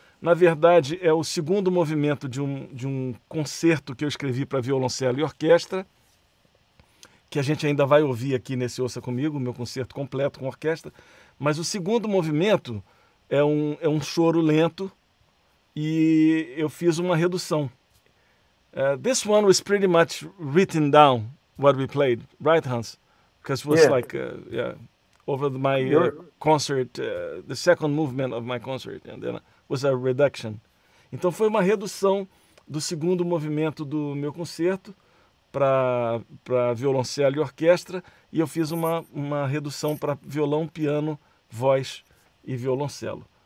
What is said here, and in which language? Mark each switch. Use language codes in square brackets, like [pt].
[pt] Na verdade, é o segundo movimento de um concerto que eu escrevi para violoncelo e orquestra, que a gente ainda vai ouvir aqui nesse Ouça Comigo, meu concerto completo com orquestra. Mas o segundo movimento é um choro lento e eu fiz uma redução. [en] This one was pretty much written down, what we played, right, Hans? Because it was over my concert, the second movement of my concert, and then... was a reduction. [pt] Então foi uma redução do segundo movimento do meu concerto para violoncelo e orquestra, e eu fiz uma redução para violão, piano, voz e violoncelo.